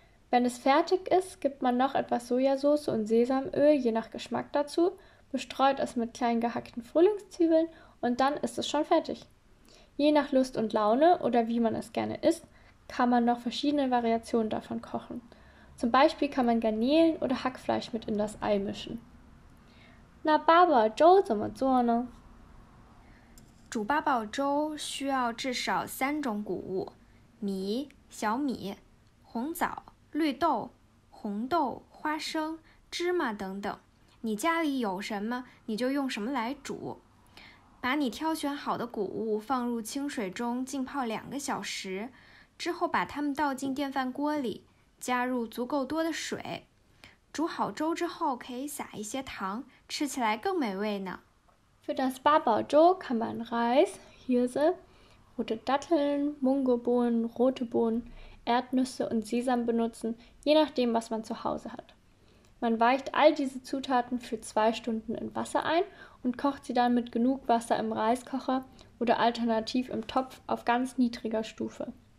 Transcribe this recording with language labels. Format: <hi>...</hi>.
<de>Wenn es fertig ist, gibt man noch etwas Sojasauce und Sesamöl, je nach Geschmack dazu, bestreut es mit klein gehackten Frühlingszwiebeln und dann ist es schon fertig. Je nach Lust und Laune oder wie man es gerne isst, kann man noch verschiedene Variationen davon kochen. Zum Beispiel kann man Garnelen oder Hackfleisch mit in das Ei mischen. Na, Baba, Joe, so mit so, ne?</de> <zh>煮八宝粥需要至少三种谷物：米、小米、红枣、绿豆、红豆、花生、芝麻等等。你家里有什么，你就用什么来煮。把你挑选好的谷物放入清水中浸泡两个小时，之后把它们倒进电饭锅里，加入足够多的水。煮好粥之后可以撒一些糖，吃起来更美味呢。</zh> <de>Für das Babaozhou kann man Reis, Hirse, rote Datteln, Mungobohnen, rote Bohnen, Erdnüsse und Sesam benutzen, je nachdem, was man zu Hause hat. Man weicht all diese Zutaten für 2 Stunden in Wasser ein und kocht sie dann mit genug Wasser im Reiskocher oder alternativ im Topf auf ganz niedriger Stufe.</de>